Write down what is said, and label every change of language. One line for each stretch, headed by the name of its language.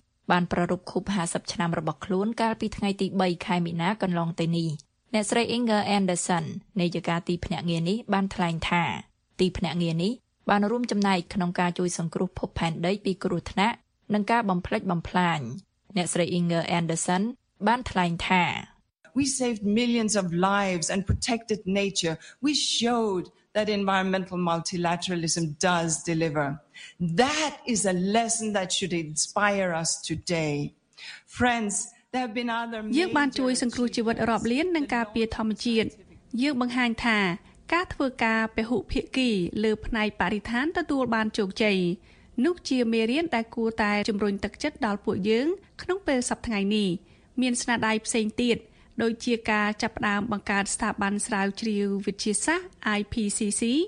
Khmer: បានប្រារព្ធខួប50ឆ្នាំរបស់ខ្លួនកាលពីថ្ងៃទី3ខែមីនាកន្លងទៅនេះអ្នកស្រី Inger Anderson នាយិកាទីភ្នាក់ងារនេះបានថ្លែងថាទីភ្នាក់ងារនេះបានរួមចំណែកក្នុងការជួយសង្គ្រោះភពផែនដីពីគ្រោះថ្នាក់និងការបំផ្លិចបំផ្លាញអ្នកស្រី Inger Anderson បានថ្លែងថា
English: We saved millions of lives and protected nature. We showed that environmental multilateralism does deliver. That is a lesson that should inspire us today. Friends, there have been other
Khmer: យើងបានជួយសង្គ្រោះជីវិតរាប់លាននឹងការពារធម្មជាតិយើងបង្ហាញថាការធ្វើការពហុភាគីលើផ្នែកបរិស្ថានទទួលបានជោគជ័យនោះជាមេរៀនដែលគួរតែជំរុញទឹកចិត្តដល់ពួកយើងក្នុងពេលសប្តាហ៍នេះមានស្នាដៃផ្សេងទៀតដូចជាការចាប់ផ្ដើមបង្កើតស្ថាប័នស្រាវជ្រាវវិទ្យាសាស្ត្រ IPCC